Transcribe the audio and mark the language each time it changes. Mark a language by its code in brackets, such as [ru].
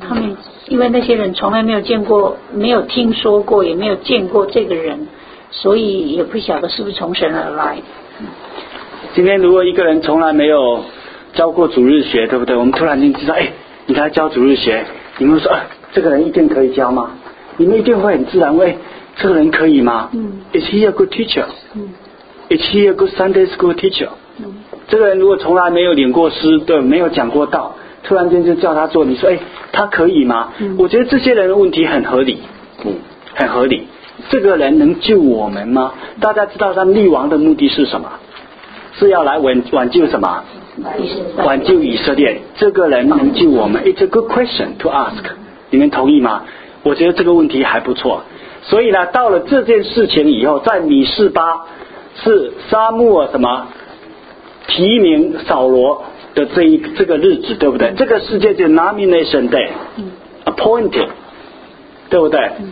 [zh] 他们因为那些人从来没有见过，没有听说过，也没有见过这个人，所以也不晓得是不是从神而来。今天如果一个人从来没有教过主日学，对不对？我们突然间知道，哎，你来教主日学，你们说，这个人一定可以教吗？你们一定会很自然问。这个人可以吗？ [en] Is he a good teacher? Is he a good Sunday school teacher? [zh] 这个人如果从来没有领过师，对，没有讲过道，突然间就叫他做，你说，哎，他可以吗？我觉得这些人的问题很合理，很合理。这个人能救我们吗？大家知道他立王的目的是什么？是要来挽救什么？挽救以色列。这个人能救我们 ？ [en] It's a good question to ask。 [zh] 你们同意吗？我觉得这个问题还不错。所以呢，到了这件事情以后，在米示巴是沙漠什么提名扫罗的这个日子，对不对？这个世界就 [en] nomination day， [zh] appointed， 对不对？